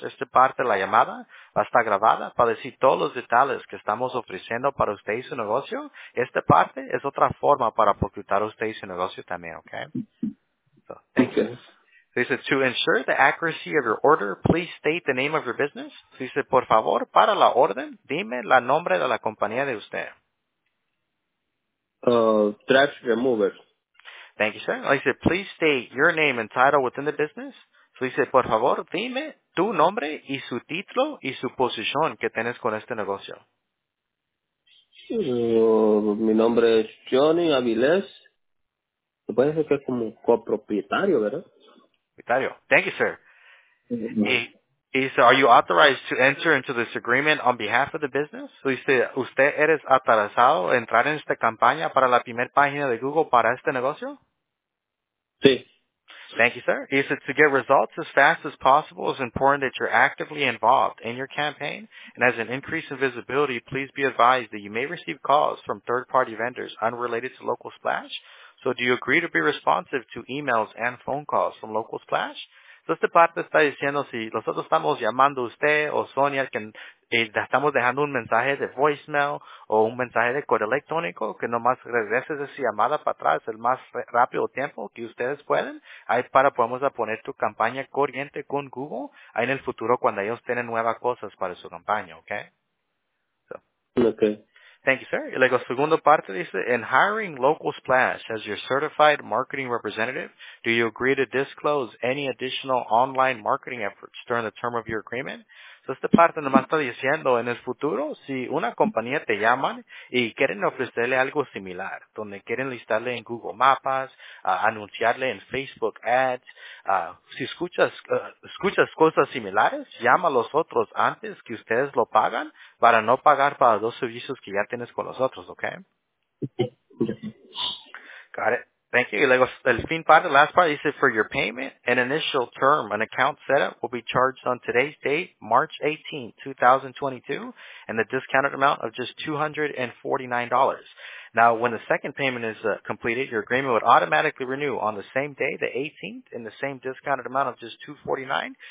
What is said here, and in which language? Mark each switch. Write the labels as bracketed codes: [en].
[es] Esta parte de la llamada va a estar grabada para decir todos los detalles que estamos ofreciendo para usted y su negocio. Esta parte es otra forma para facultar a usted y su negocio también, okay? [en] So, thank you. So he said, to ensure the accuracy of your order, please state the name of your business. So he said, [es] por favor, para la orden, dime la nombre de la compañía de usted. [en] Trash Remover. Thank you, sir. I said, please state your name and title within the business. So he said, [es] por favor, dime tu nombre y su título y su posición que tienes con este negocio. Mi nombre es Johnny Avilés. Se puede decir que es como copropietario, ¿verdad? Propietario. [en] Thank you, sir. Mm-hmm. He said, are you authorized to enter into this agreement on behalf of the business? So he said, [es] ¿usted eres autorizado a entrar en esta campaña para la primer página de Google para este negocio? Sí. [en] Thank you, sir. He said, to get results as fast as possible, it's important that you're actively involved in your campaign. And as an increase in visibility, please be advised that you may receive calls from third-party vendors unrelated to Local Splash. So do you agree to be responsive to emails and phone calls from Local Splash? So [es] esta parte está diciendo, si nosotros estamos llamando a usted o Sonia, que estamos dejando un mensaje de voicemail o un mensaje de correo electrónico, que nomás regreses esa llamada para atrás el más rápido tiempo que ustedes pueden, ahí para podemos poner tu campaña corriente con Google, ahí en el futuro cuando ellos tienen nuevas cosas para su campaña, ¿ok? [en] So. Okay. Thank you, sir. [es] Y luego, segunda parte dice, [en] in hiring Local Splash as your certified marketing representative, do you agree to disclose any additional online marketing efforts during the term of your agreement? [es] So, esta parte nomás está diciendo, en el futuro, si una compañía te llama y quieren ofrecerle algo similar, donde quieren listarle en Google Maps, anunciarle en Facebook Ads, si escuchas cosas similares, llama a los otros antes que ustedes lo pagan para no pagar para los servicios que ya tienes con los otros, ¿ok? [en] Got it. Thank you. [es] Y luego, el fin [en] part, the last part, [es] dice, [en] for your payment, an initial term, an account setup will be charged on today's date, March 18, 2022, and the discounted amount of just $249. Now, when the second payment is completed, your agreement would automatically renew on the same day, the 18th, in the same discounted amount of just $249.